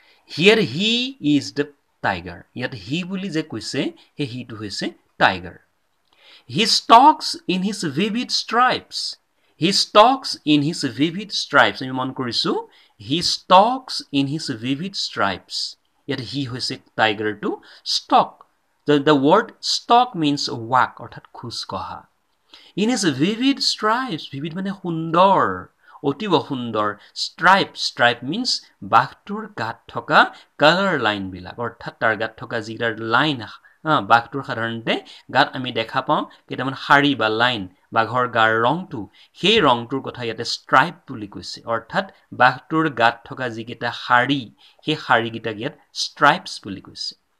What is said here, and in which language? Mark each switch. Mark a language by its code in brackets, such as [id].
[en] here he is the tiger, [as] ইয়াত হি বুলি যে কৈছে সেই হিটো হৈছে tiger. [en] he stalks in his vivid stripes, he stalks in his vivid stripes, [as] আমি মন কৰিছোঁ [en] he stalks in his vivid stripes, [as] ইয়াত হি হৈছে টাইগাৰটো। [en] stalk, the word stalk means walk, [as] অৰ্থাৎ খোজকঢ়া। [en] in his vivid stripes, [as] ভিভিড মানে সুন্দৰ, অতিব সুন্দৰ। [en] stripe, stripe means [as] বাঘটোৰ গাত থকা কালাৰ লাইনবিলাক, অৰ্থাৎ তাৰ গাত থকা যিকেইটা লাইন। বাঘটোৰ সাধাৰণতে গাত আমি দেখা পাওঁ কেইটামান শাৰী বা লাইন, বাঘৰ গাৰ ৰংটো, সেই ৰংটোৰ কথা ইয়াতে ষ্ট্ৰাইপ বুলি কৈছে। অৰ্থাৎ বাঘটোৰ গাত থকা যিকেইটা শাৰী, সেই শাৰীকেইটাক ইয়াত ষ্ট্ৰাইপছ বুলি কৈছে।